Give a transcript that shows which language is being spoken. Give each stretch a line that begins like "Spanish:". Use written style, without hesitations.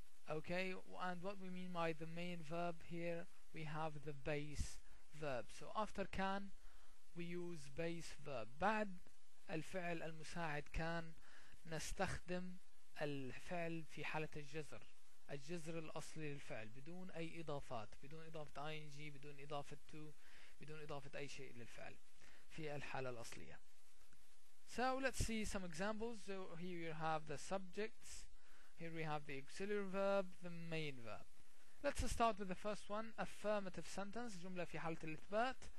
English: Okay, and what we mean by the main verb here, we have the base verb. So after can, we use base verb.
Arabic: بعد الفعل المساعد can, نستخدم الفعل في حالة الجزر. الجزر الأصلي للفعل بدون أي إضافات, بدون إضافة ing, بدون إضافة to, بدون إضافة أي شيء للفعل في الحالة الأصلية.
English: So let's see some examples. So here you have the subjects. Here we have the auxiliary verb, the main verb. Let's start with the first one. Affirmative sentence,
Arabic: جملة في حالة الإثبات.